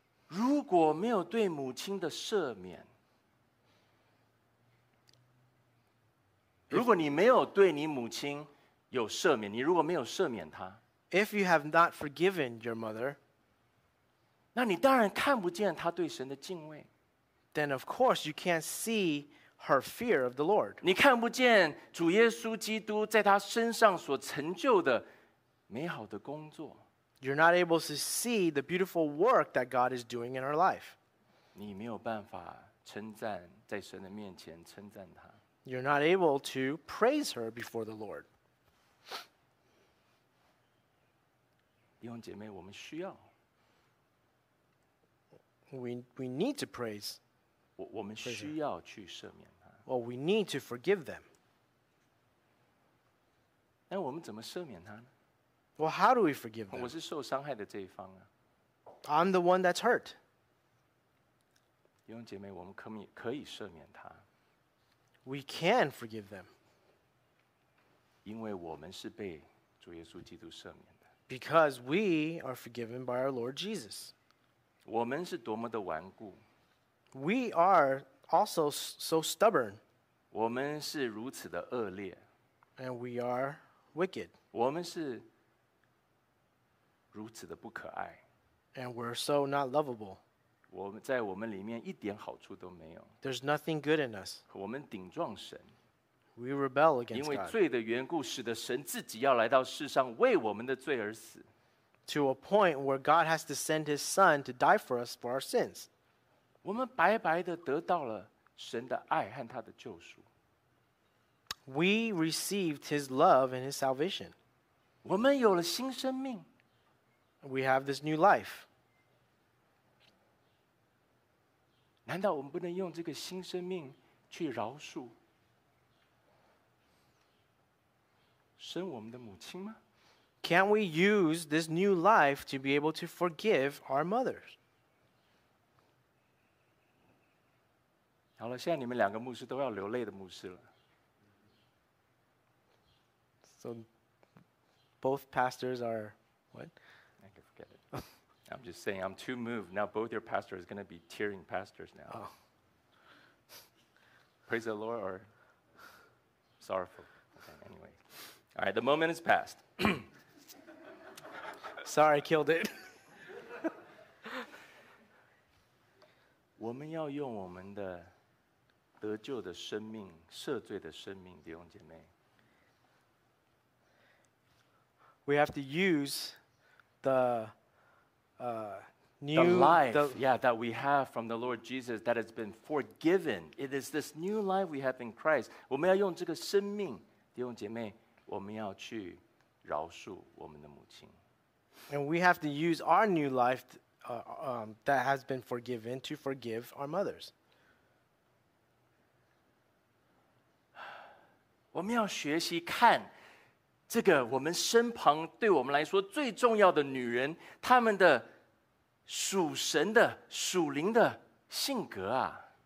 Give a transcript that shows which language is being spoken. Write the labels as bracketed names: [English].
[Chinese] 如果没有对母亲的赦免， if, 如果你没有对你母亲有赦免，你如果没有赦免她， [English] if you have not forgiven your mother, [Chinese] 那你当然看不见她对神的敬畏。 [English] Then of course you can't see her fear of the Lord. [Chinese] 你看不见主耶稣基督在他身上所成就的美好的工作。 [English] You're not able to see the beautiful work that God is doing in her life. [Chinese] 你没有办法称赞，在神的面前称赞他。 [English] You're not able to praise her before the Lord. [Chinese] 弟兄姐妹，我们需要。 [English] We need to praise. [Chinese] 我们需要去赦免。 [English] Well, we need to forgive them. [Chinese] 那我们怎么赦免他呢？ [English] Well, how do we forgive them? [Chinese] 我是受伤害的这一方啊。 [English] I'm the one that's hurt. [Chinese] 弟兄姐妹，我们可以赦免他。 [English] We can forgive them. [Chinese] 因为我们是被主耶稣基督赦免的。 [English] Because we are forgiven by our Lord Jesus. [Chinese] 我们是多么的顽固。 [English] We are also so stubborn. [Chinese] 我们是如此的恶劣。 [English] And we are wicked. [Chinese] 我们是如此的不可爱。 [English] And we're so not lovable. [Chinese] 我们在我们里面一点好处都没有。 [English] There's nothing good in us. [Chinese] 我们顶撞神。 [English] We rebel against God. [Chinese] 因为罪的缘故，使得神自己要来到世上为我们的罪而死。 [English] To a point where God has to send his son to die for us for our sins. [Chinese] 我们白白的得到了神的爱和他的救赎。 [English] We received his love and his salvation. [Chinese] 我们有了新生命。 [English] We have this new life. [Chinese] 难道我们不能用这个新生命去饶恕生我们的母亲吗？ [English] Can't we use this new life to be able to forgive our mothers? [Chinese] 好了，现在你们两个牧师都要流泪的牧师了。 [English] So, both pastors are what? I can forget it. I'm just saying, I'm too moved. Now both your pastors are going to be tearing pastors now. Oh. Praise the Lord or sorrowful. Okay, anyway. All right, the moment is past. Sorry, killed it. [Chinese] 我们要用我们的得救的生命，赦罪的生命，弟兄姐妹。 [English] We have to use the new the life, the, yeah, that we have from the Lord Jesus that has been forgiven. It is this new life we have in Christ. [Chinese] 我们要用这个生命，弟兄姐妹，我们要去饶恕我们的母亲。 [English] And we have to use our new life that has been forgiven to forgive our mothers. [Chinese] 我们要学习看这个我们身旁对我们来说最重要的女人，她们的属神的属灵的性格啊。